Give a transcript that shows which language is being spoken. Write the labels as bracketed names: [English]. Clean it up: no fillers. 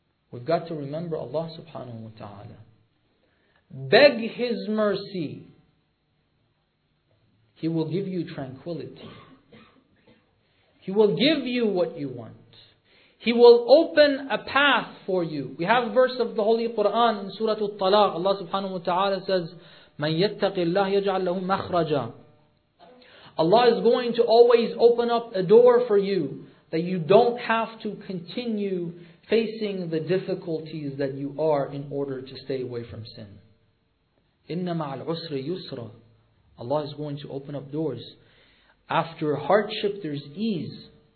[English] We've got to remember Allah subhanahu wa ta'ala. Beg His mercy. He will give you tranquility. He will give you what you want. He will open a path for you. We have a verse of the Holy Quran in Surah Al-Talaq. Allah subhanahu wa ta'ala says, [Arabic] مَنْ يَتَّقِ اللَّهِ يَجْعَلْ لَهُ مَخْرَجًا. [English] Allah is going to always open up a door for you that you don't have to continue facing the difficulties that you are in order to stay away from sin. [Arabic] إِنَّمَا الْعُسْرِ يُسْرًا. [English] Allah is going to open up doors. After hardship, there's ease.